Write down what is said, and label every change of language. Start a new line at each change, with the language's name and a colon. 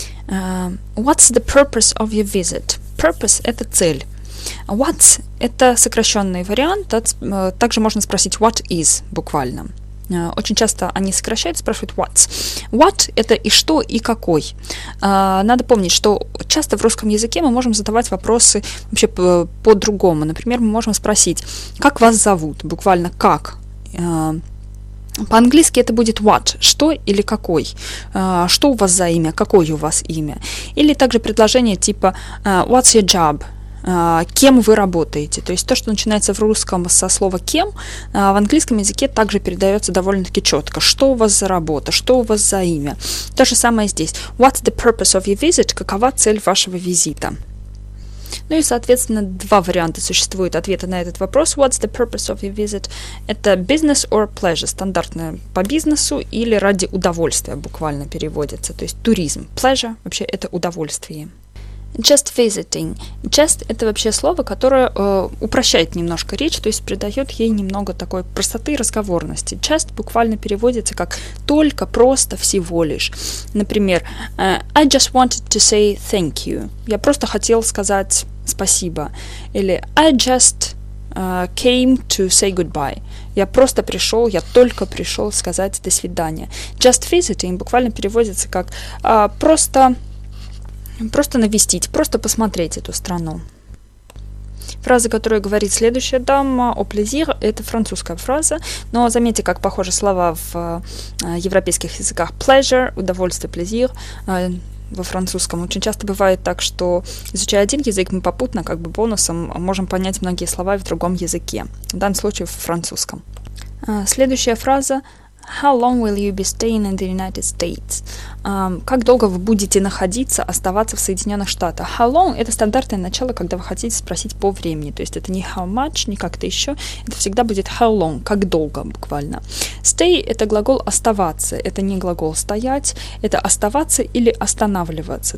English: What's the purpose of your visit?
Russian: Purpose – это цель. What's – это сокращенный вариант. Также можно спросить
English: what is
Russian: буквально. Очень часто они сокращают, спрашивают what's. What – это и что, и какой. Надо помнить, что часто в русском языке мы можем задавать вопросы вообще по-другому. Например, мы можем спросить, как вас зовут, буквально как. По-английски это будет what – что или какой. Что у вас за имя, какое у вас имя. Или также предложение типа
English: what's your job
Russian: – кем вы работаете. То есть то, что начинается в русском со слова «кем», в английском языке также передается довольно-таки четко. Что у вас за работа, что у вас за имя. То же самое здесь.
English: What's the purpose of your visit?
Russian: Какова цель вашего визита? Ну и, соответственно, два варианта существует ответа на этот вопрос.
English: What's the purpose of your visit?
Russian: Это
English: business or pleasure.
Russian: Стандартно по бизнесу или ради удовольствия буквально переводится. То есть туризм. Pleasure вообще это удовольствие.
English: Just visiting.
Russian: Just – это вообще слово, которое упрощает немножко речь, то есть придает ей немного такой простоты и разговорности. Just буквально переводится как «только», «просто», «всего лишь». Например,
English: I just wanted to say thank you.
Russian: Я просто хотел сказать спасибо. Или
English: I just came to say goodbye.
Russian: Я просто пришел, я только пришел сказать до свидания. Just visiting буквально переводится как «просто». Просто навестить, просто посмотреть эту страну. Фраза, которую говорит следующая дама,
French: «au plaisir»,
Russian: это французская фраза, но заметьте, как похожи слова в европейских языках «pleasure», «удовольствие», «plaisir», во французском. Очень часто бывает так, что, изучая один язык, мы попутно, как бы бонусом, можем понять многие слова в другом языке, в данном случае в французском. Следующая фраза.
English: How long will you be staying in the United States?
Russian: Как долго вы будете находиться, оставаться в Соединенных Штатах? How long – это стандартное начало, когда вы хотите спросить по времени. То есть это не
English: how much,
Russian: не как-то еще. Это всегда будет
English: how long,
Russian: как долго буквально. Stay – это глагол оставаться. Это не глагол стоять. Это оставаться или останавливаться.